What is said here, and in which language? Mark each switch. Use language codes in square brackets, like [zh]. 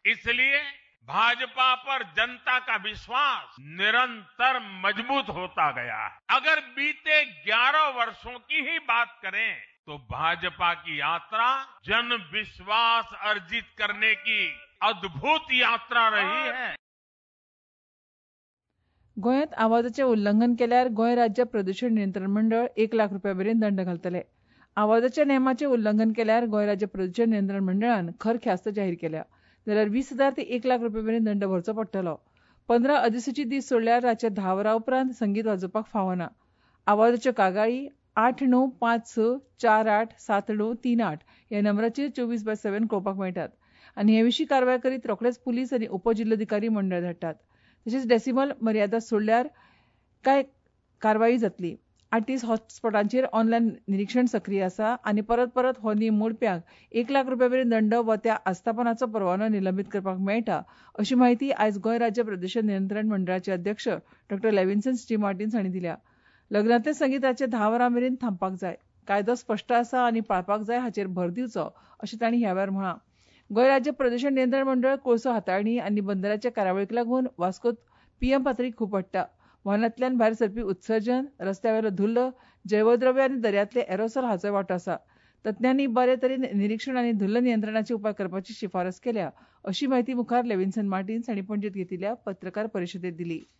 [hi] इसलिए भाजपा पर जनता का विश्वास निरंतर मजबूत होता गया. अगर बीते 11 वर्षों की ही बात करें तो भाजपा की यात्रा जन विश्वास अर्जित करने की अद्भुत यात्रा रही है. [kok] गोयंत आवाजाचे उल्लंघन केल्यार गोय राज्य प्रदूषण नियंत्रण मंडळ 1,00,000 रुपया मेरेन दंड घालतले. आवाजाच्या नेमाचे उल्लंघन केल्यार गोय राज्य प्रदूषण नियंत्रण मंडळान खर ख्यास्त जाहीर केल्या. जाल्यार 20,000 ते 1,00,000 रुपया मेरेन दंड भरचो पडटलो. 15 अधिसूचीत दीस सोडल्यार रातच्या 10 वरां उपरांत संगीत वाजोवपाक फावना. आवाजाच्यो कागाळी 8956487938 ह्या नंबराचेर 24/7 कळोवपाक मेळटात. आनी हे विशीं कारवाय करीत रोखडेच पुलीस आनी उपजिल्लोधिकारी मंडळ धाडटात. तशेंच डेसिमल मर्यादा सोडल्यार कांय कारवाई जातली. 38 हॉटस्पॉटांचेर ऑनलायन निरीक्षण सक्रीय आसा आनी परत परत हो नेम मोडप्यांक 1,00,000 रुपया मेरेन दंड वा त्या आस्थापनाचो परवानो निलंबीत करपाक मेळटा अशी माहिती आयज गोंय राज्य प्रदूशण नियंत्रण मंडळाचे अध्यक्ष डॉ लॅविन्सन स्टी मार्टिन्स हांणी दिल्या. लग्नातल्या संगीताचे 10 वरां मेरेन थांबपाक जाय. कायदो स्पश्ट आसा आनी पाळपाक जाय हाचेर भर दिवचो अशें तांणी ह्या वेळार म्हळां. गोंय राज्य प्रदूशण नियंत्रण मंडळ कोळसो हाताळणी आनी बंदराच्या कार्यावळीक लागून वास्कोत पीएम पातळी खूप वाडटा. वाहनातल्यान भायर सरपी उत्सर्जन, रस्त्यावेलो धुल्ल, जैवद्रव्य आनी दर्यातले एरोसॉल हाचोय वांटो आसा. तज्ञांनी बरे तरेन निरीक्षण आनी धुल्ल नियंत्रणाचे उपाय करपाची शिफारस केल्या अशी माहिती मुखार लॅविन्सन मार्टिन्स हांणी पणजेंत घेतिल्ल्या पत्रकार परिशदेंत दिली.